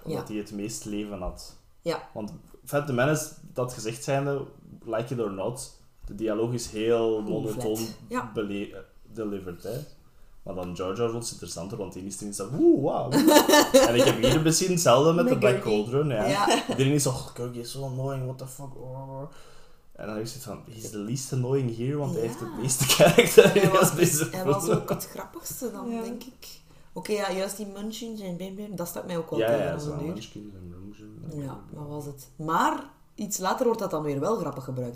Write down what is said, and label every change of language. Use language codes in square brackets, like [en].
[nl] Omdat hij het meest leven had. Ja. Want Phantom Menace, dat gezegd zijnde, [en] like it or not, [nl] de dialoog is heel monotoon delivered. Hè. Maar dan Jar Jar vond het interessanter, want die is erin zo, oeh, wauw. En ik heb hier misschien hetzelfde met de Black Cauldron. Ja. Iedereen is zo, oh, Kirk is zo annoying, [en] what the fuck. [nl] En dan is het van, [en] he's the least annoying here, [nl] want hij heeft het meeste character. Hij was ook het grappigste dan, denk ik. Oké, juist die munchies en bim, dat staat mij ook wel tegen. Ja, zo'n munchies en munchies. Ja, dat was het. Maar iets later wordt dat dan weer wel grappig gebruikt.